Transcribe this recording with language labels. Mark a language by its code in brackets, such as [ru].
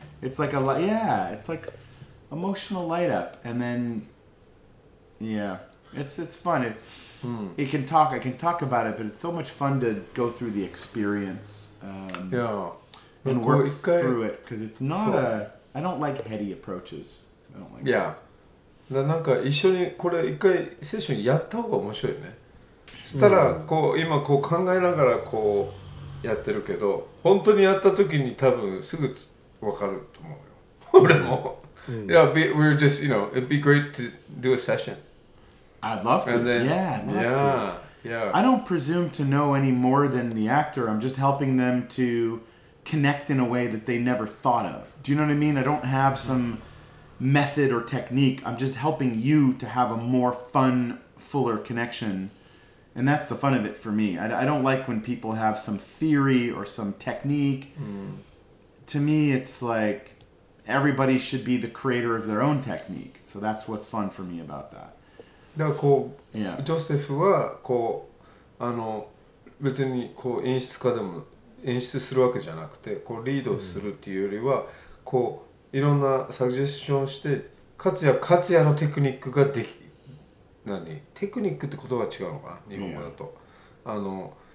[en] It's like a it's like emotional light up, and then it's fun. It can talk. I can talk about it, but it's so much fun to go through the experience. And work through it because it's not a. I don't like heady approaches. I don't like. Yeah. [ja] なんか一緒にこれ一回セッションやった方が面白いよね。したらこう今こう考えながらこうやってるけど、本当にやった時に多分すぐ分かると思うよ。俺も。 [en] Yeah, we're just, you know, it'd be great to do a session. I'd love to. Then, yeah, I'd love yeah, to. Yeah. I don't presume to know any more than the actor. I'm just helping them to connect in a way that they never thought of. Do you know what I mean? I don't have some method or technique. I'm just helping you to have a more fun, fuller connection. And that's the fun of it for me. I don't like when people have some theory or some technique. Mm. To me, it's like everybody should be the creator of their own technique. So that's what's fun for me about that. [ja] だからこう、 [en] yeah. [ja] ジョセフはこう、あの、別にこう演出家でも演出するわけじゃなくて、こうリードするっていうよりは、mm. こういろんなサジェスションして、勝也のテクニックができ、何テクニックって言葉は違うのかな、日本語だと、yeah. あの、